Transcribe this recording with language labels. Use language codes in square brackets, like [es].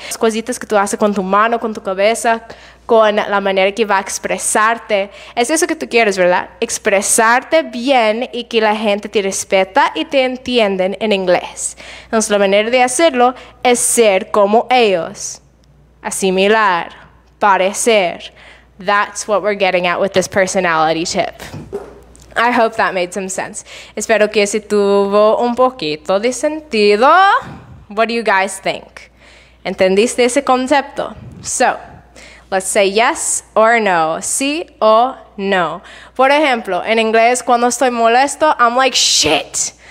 [es] Las cositas que tú haces con tu mano, con tu cabeza, con la manera que va a expresarte. Es eso que tú quieres, ¿verdad? Expresarte bien y que la gente te respeta y te entienden en inglés. Entonces, la manera de hacerlo es ser como ellos. Asimilar, parecer. [en] That's what we're getting at with this personality tip. I hope that made some sense. [es] Espero que se tuvo un poquito de sentido. [en] What do you guys think? [es] ¿Entendiste ese concepto? [en] So, let's say yes or no. [es] Sí o no. Por ejemplo, en inglés, cuando estoy molesto, [en] I'm like, shit.